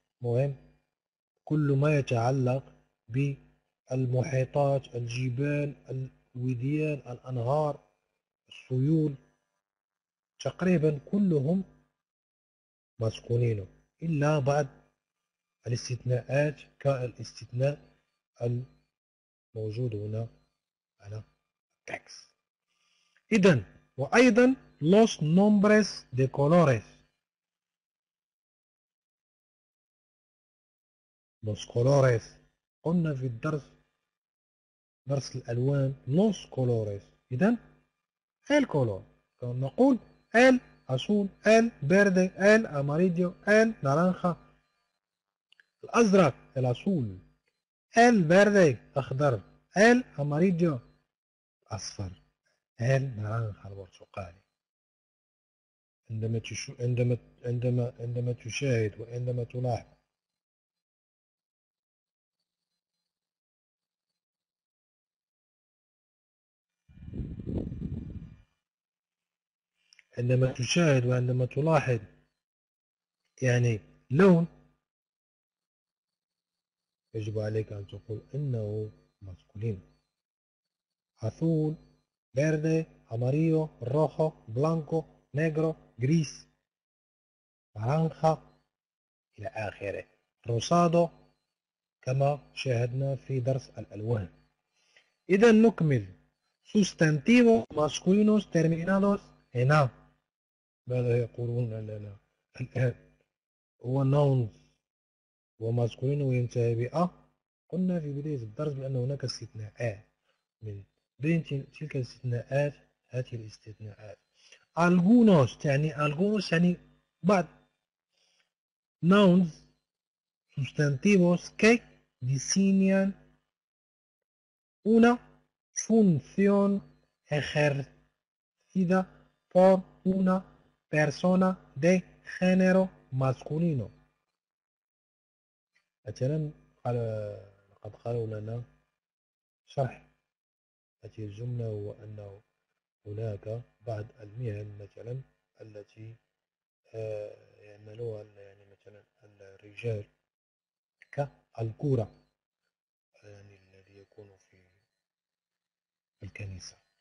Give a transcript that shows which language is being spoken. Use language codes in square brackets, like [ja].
[ar] مهم كل ما يتعلق بالمحيطات، الجبال، الوديان، الأنهار، السيول، تقريبا كلهم مسكونين إلا بعض الاستثناءات كالاستثناء الموجود هنا على التكس. إذن وأيضا [es] los nombres de colores، [ar] los colores قلنا في الدرس، درس الألوان، los colores. [es] إذن el color نقول el azul، el verde، el amarillo، el naranja، الأزرق، el azul، ال verde اخضر، ال amarillo اصفر، [ar] ال نارنج البرتقالي. عندما عندما تشاهد وعندما تلاحظ عندما تشاهد وعندما تلاحظ يعني لون، يجب عليك أن تقول إنه ماسكولين، أزول، [es] verde، amarillo، rojo، blanco، negro، gris، [ar] نارنجة إلى آخره، rosado كما شاهدنا في درس الألوان. إذا نكمل [es] sustantivo masculinos terminados en A، [ar] ماذا يقولون لنا الآن؟ هو nouns وماسكولين وينتهي ب أ. قلنا في بداية الدرس بأن هناك استثناءات، من بين تلك الاستثناءات هذه الاستثناءات. [es] algunos تعني algunos [ar] يعني بعض، [es] nouns sustantivos que diseñan una función ejercida por una persona de género masculino. [ar] مثلا قال لقد قالوا لنا شرح هذه الجملة هو أنه هناك بعض المهن مثلا التي يعملها يعني مثلا الرجال كالكورة، يعني الذي يكون في الكنيسة.